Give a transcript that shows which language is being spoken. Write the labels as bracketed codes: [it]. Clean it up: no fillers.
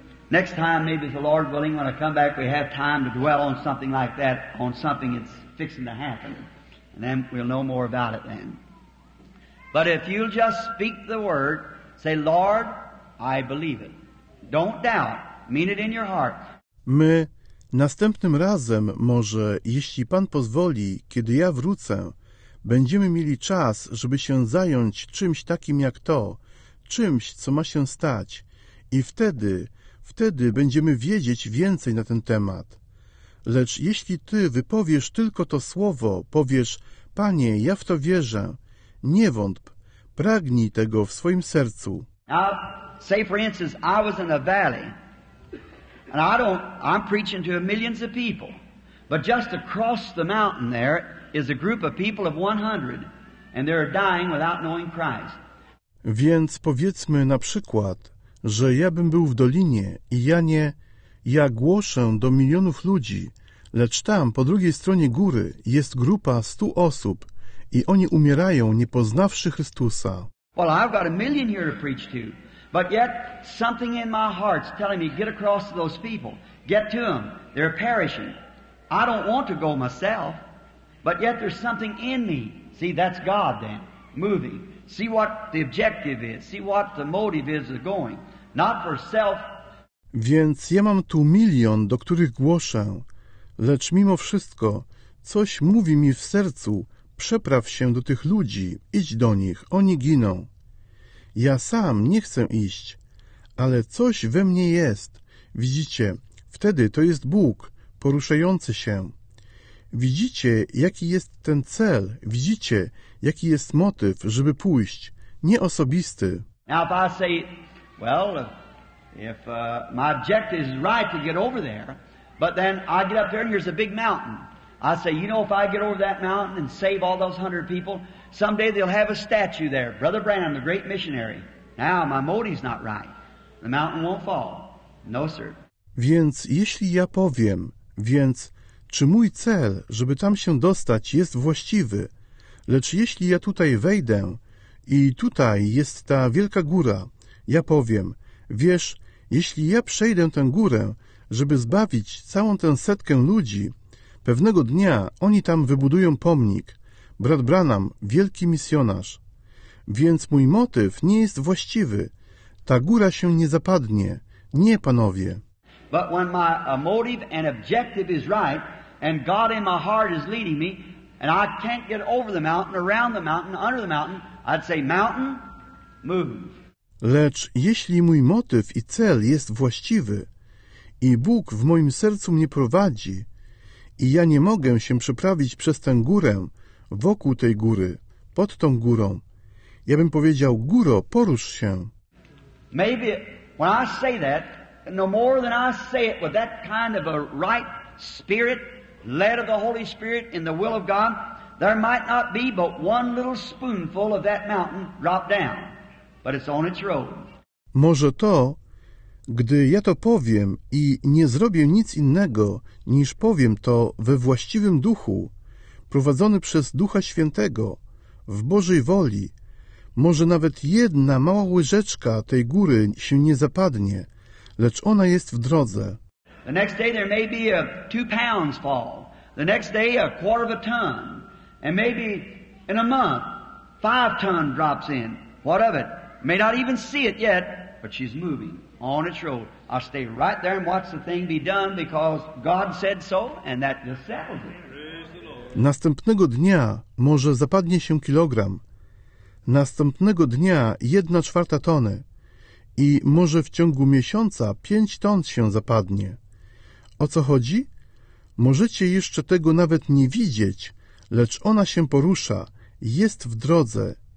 [en] Next time, maybe the Lord willing, when I come back, we have time to dwell on something like that, on something that's fixing to happen. And then we'll know more about it then. But if you'll just speak the word, say, Lord, I believe it. Don't doubt. Mean it in your heart. [pl] My następnym razem, może, jeśli Pan pozwoli, kiedy ja wrócę, będziemy mieli czas, żeby się zająć czymś takim jak to, czymś, co ma się stać. I wtedy będziemy wiedzieć więcej na ten temat. Lecz jeśli Ty wypowiesz tylko to słowo, powiesz, Panie, ja w to wierzę, nie wątp, pragnij tego w swoim sercu. [en] Say for instance, I was in a valley, and I'm preaching to millions of people, but just across the mountain there is a group of people of 100, and they're dying without knowing Christ. [pl] Więc powiedzmy na przykład, że ja bym był w dolinie i ja głoszę do milionów ludzi, lecz tam, po drugiej stronie góry, jest grupa 100 osób i oni umierają, nie poznawszy Chrystusa. [en] Well, I've got a million here to preach to, but yet something in my heart's telling me, get across to those people, get to them, they're perishing. I don't want to go myself, but yet there's something in me. See, that's God then, moving. See what the objective is, see what the motive is of going. Not for self. [pl] Więc ja mam tu milion, do których głoszę, lecz mimo wszystko coś mówi mi w sercu, przepraw się do tych ludzi, idź do nich, oni giną. Ja sam nie chcę iść, ale coś we mnie jest. Widzicie, wtedy to jest Bóg, poruszający się. Widzicie, jaki jest ten cel, widzicie, jaki jest motyw, żeby pójść, nie osobisty. [en] Now if I say, well, if my objective is right to get over there, but then I get up there and there's a big mountain. I say, you know, if I get over that mountain and save all those 100 people, someday they'll have a statue there. Brother Branham, the great missionary. Now, my motive's not right. The mountain won't fall. No, sir. [pl] Więc jeśli ja powiem, więc czy mój cel, żeby tam się dostać, jest właściwy? Lecz jeśli ja tutaj wejdę i tutaj jest ta wielka góra, ja powiem, wiesz, jeśli ja przejdę tę górę, żeby zbawić całą tę setkę ludzi, pewnego dnia oni tam wybudują pomnik. Brat Branham, wielki misjonarz. Więc mój motyw nie jest właściwy. Ta góra się nie zapadnie. Nie, panowie. [en] But when my motive and objective is right, and God in my heart is leading me, and I can't get over the mountain, around the mountain, under the mountain, I'd say, mountain, move. [pl] Lecz jeśli mój motyw i cel jest właściwy i Bóg w moim sercu mnie prowadzi, i ja nie mogę się przeprawić przez tę górę, wokół tej góry, pod tą górą. Ja bym powiedział, góro, porusz się. [en] Maybe when I say that, no more than I say it with that kind of a right spirit, led of the Holy Spirit in the will of God, there might not be but one little spoonful of that mountain drop down, but it's on its road. [pl] Może to, gdy ja to powiem i nie zrobię nic innego, niż powiem to we właściwym duchu, prowadzony przez Ducha Świętego, w Bożej woli, może nawet jedna mała łyżeczka tej góry się nie zapadnie, lecz ona jest w drodze. [en] The next day there may be a 2 pounds fall. The next day a quarter of a ton. And maybe in a month, 5 tons drops in. What of it? May not even see it yet, but she's moving. On its road. I'll stay right there and watch the thing be done because God said so and that just settles it. [pl] Następnego dnia może zapadnie się kilogram. Następnego dnia 1/4 tony. I może w ciągu miesiąca 5 ton się zapadnie. O co chodzi? Możecie jeszcze tego nawet nie widzieć, lecz ona się porusza, jest w drodze.